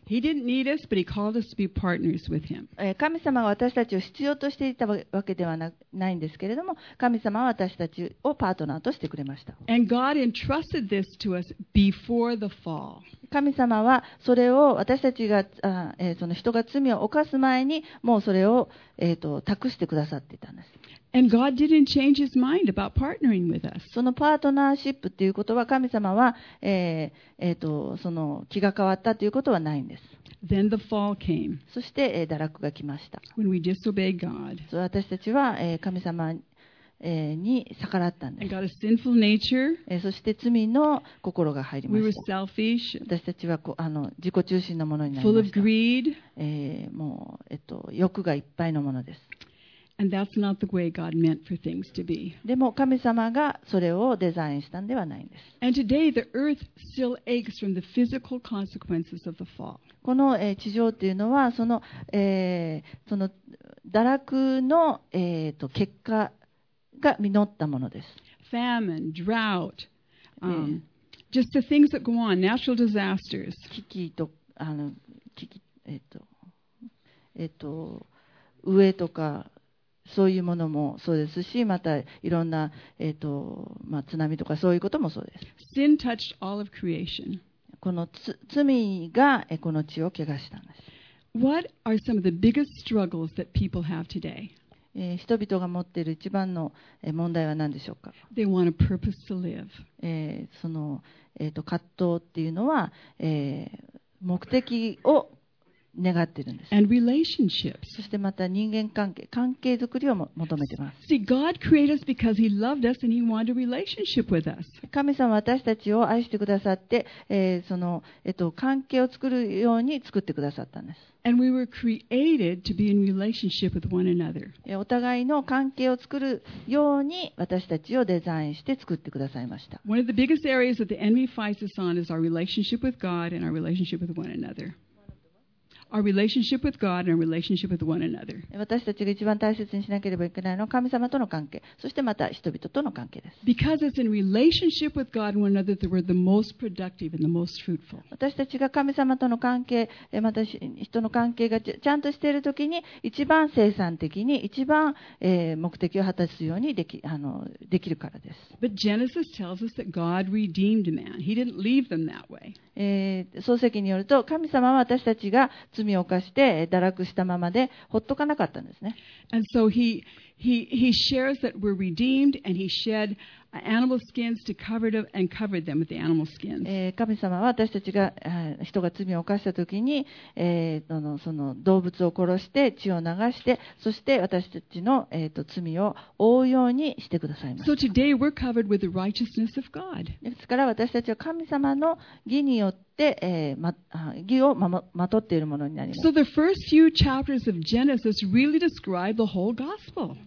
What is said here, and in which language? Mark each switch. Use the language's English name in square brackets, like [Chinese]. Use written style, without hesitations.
[English] He didn't need us, but He called us to be partners with Him. [Japanese] 神様が私たちを必要としていたわけではないんですけれども、神様は私たちをパートナーとしてくれました。 [English] And God entrusted this to us before the fall. [Japanese] 神様はそれを私たちが、その人が罪を犯す前に、もうそれを、託してくださっていたんです。 [English] And God didn't change his mind about partnering with us. [Japanese] そのパートナーシップっていうことは神様は、その気が変わったということはないんです。 [English] Then the fall came. [Japanese] そして、堕落が来ました。 [English] When we disobeyed God. [Japanese] そう、私たちは、神様に逆らったんです。 [English] And got a sinful nature. [Japanese] そして罪の心が入りました。 [English] We were selfish. [Japanese] 私たちは自己中心のものになりました。 [English] Full of greed. [Japanese] もう、欲がいっぱいのものです。 [English] And that's not the way God meant for things to be. [Japanese] でも神様がそれをデザインしたんではないんです。 [English] And today the earth still aches from the physical consequences of the fall. [Japanese] この地上っていうのはその、その堕落の、結果が実ったものです。 [English] Famine, drought, just the things that go on, natural disasters. [Japanese] 危機と飢えとか。そういうものもそうですし、またいろんな、津波とかそういうこともそうです。 [English] Sin touched all of creation. [Japanese] この罪がこの地を汚したんです。 [English] What are some of the biggest struggles that people have today? [Japanese] 人々が持っている一番の問題は何でしょうか? [English] They want a purpose to live. [Japanese] その、葛藤っていうのは、目的を願っているんです。 [English] And relationships. [Japanese] そしてまた人間関係、関係づくりを求めています。 [English] See, God created us because He loved us and He wanted a relationship with us. [Japanese] 神様は私たちを愛してくださって、関係を作るように作ってくださったんです。 [English] And we were created to be in relationship with one another. [Japanese] お互いの関係を作るように私たちをデザインして作ってくださいました。 [English] One of the biggest areas that the enemy fights us on is our relationship with God and our relationship with one another. Our relationship with God and our relationship with one another. [Japanese] 私たちが一番大切にしなければいけないのは神様との関係、そしてまた人々との関係です。 [English] Because it's in relationship with God and one another that we're the most productive and the most fruitful. [Japanese] 私たちが神様との関係、また人の関係がちゃんとしているときに、一番生産的に、一番目的を果たすようにできるからです。 [English] But Genesis tells us that God redeemed man. He didn't leave them that way. [Japanese] 創世記によると、神様は私たちが罪を犯して堕落したままでほっとかなかったんですね。 [English] And so he shares that we're redeemed and he shed animal skins to cover them and covered them with the animal skins. [Japanese] 神様は私たちが人が罪を犯したときに、その動物を殺して血を流して、そして私たちの、罪を覆うようにしてくださいました。 [English] So today we're covered with the righteousness of God. [Japanese] ですから私たちは神様の義によってで、義をまとっているものになります。 [English] So the first few chapters of Genesis really describe the whole gospel.